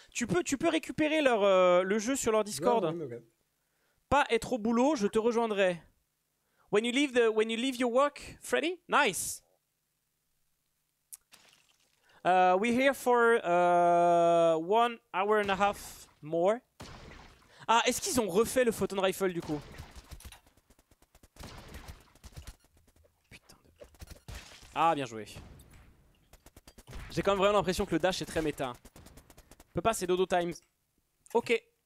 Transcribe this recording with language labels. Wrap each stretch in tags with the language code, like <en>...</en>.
<fr>Tu peux récupérer le jeu sur leur Discord. Non, pas être au boulot, je te rejoindrai.</fr> <en>When you leave your work, Freddy. Nice. We're here for 1.5 hours more.</en> <fr>Ah, est-ce qu'ils ont refait le photon rifle du coup? Putain de... Ah, bien joué. J'ai quand même vraiment l'impression que le dash est très méta. Peut pas, c'est dodo times. Ok.</fr>